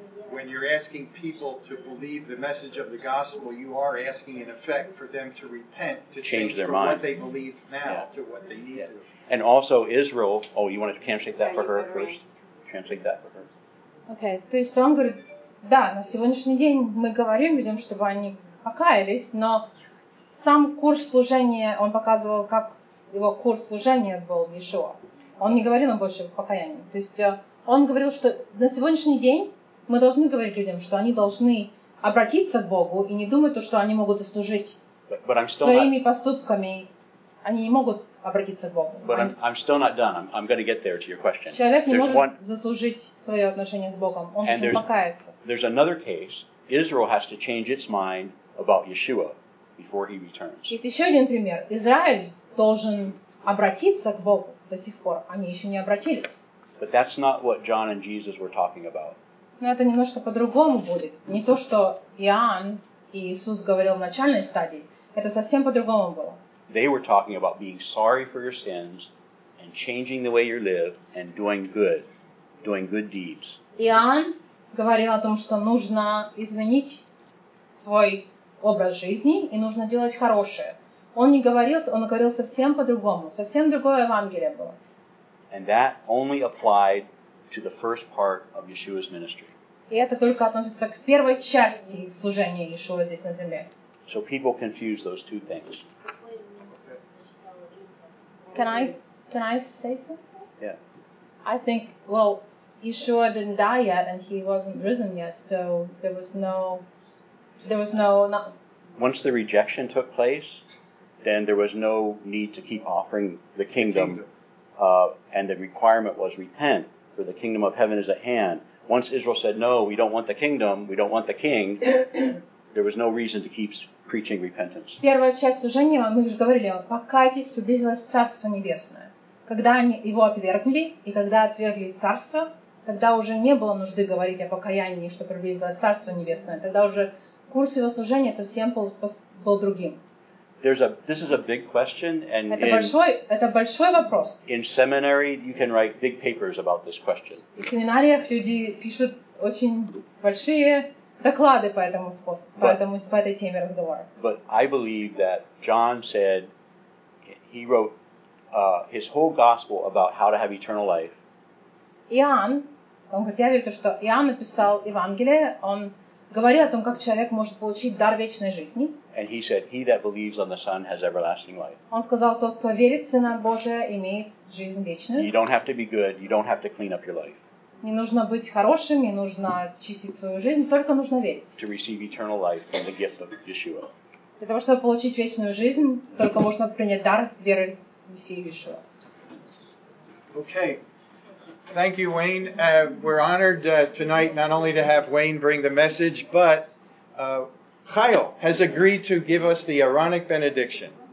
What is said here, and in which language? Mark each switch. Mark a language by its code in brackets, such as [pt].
[en] When you're asking people to believe the message of the gospel, you are asking, in effect, for them to repent, to change their from mind. What they believe now to what they need to. And also Israel... Oh, you want to translate that for her first? Translate that for her. Okay. [ru] То есть он говорит, да, на сегодняшний день мы говорим людям, чтобы они покаялись, но сам курс служения, он показывал, как его курс служения был Иешуа. Он не говорил им больше покаяния. То есть он говорил, что на сегодняшний день мы должны говорить людям, что они должны обратиться к Богу и не думать, что они могут заслужить своими поступками. Они не могут обратиться к Богу. [en] But I'm still not done. I'm going to get there to your question. [ru] Человек не может заслужить свое отношение с Богом. Он должен покаяться. [en] There's another case. Israel has to change its mind about Yeshua before he returns. [ru] Есть еще один пример. Израиль должен обратиться к Богу до сих пор. Они еще не обратились. [en] But that's not what John and Jesus were talking about. [ru] Но это немножко по-другому будет. Не то, что Иоанн и Иисус говорил в начальной стадии. Это совсем по-другому было. [en] They were talking about being sorry for your sins and changing the way you live and doing good deeds. [ru] Иоанн говорил о том, что нужно изменить свой образ жизни и нужно делать хорошее. Он говорил совсем по-другому. Совсем другое Евангелие было. [en] And that only applied to the first part of Yeshua's ministry. [ru] И это только относится к первой части служения Иешуа здесь на земле. [en] So people confuse those two things. Can I say something? Yeah. I think, well, Yeshua didn't die yet and he wasn't risen yet, so there was no Once the rejection took place, then there was no need to keep offering the kingdom. And the requirement was repent, for the kingdom of heaven is at hand. Once Israel said, no, we don't want the kingdom, we don't want the king, there was no reason to keep preaching repentance. [ru] Первая часть служения, мы же говорили, покайтесь, приблизилось Царство Небесное. Когда они его отвергли, и когда отвергли Царство, тогда уже не было нужды говорить о покаянии, что приблизилось Царство Небесное. Тогда уже курс его служения совсем был другим. [en] This is a big question, and [ru] это большой вопрос. [en] In seminary, you can write big papers about this question. [ru] В семинариях люди пишут очень большие доклады по этому способу, по этой теме разговора. [en] But I believe that John said he wrote his whole gospel about how to have eternal life. [ru] Иоанн, конкретно я верю, что Иоанн написал Евангелие, он говорил о том, как человек может получить дар вечной жизни. [en] And he said, he that believes on the Son has everlasting life. [ru] Он сказал, тот, кто верит в Сына Божия, имеет жизнь вечную. [en] You don't have to be good, you don't have to clean up your life. [ru] Не нужно быть хорошим, не нужно чистить свою жизнь, только нужно верить. [en] To receive eternal life from the gift of Yeshua. [ru] Для того, чтобы получить вечную жизнь, только можно принять дар веры в Мессию Иешуа. [en] Okay. Thank you, Wayne. We're honored tonight not only to have Wayne bring the message, but Chayil has agreed to give us the Aaronic benediction.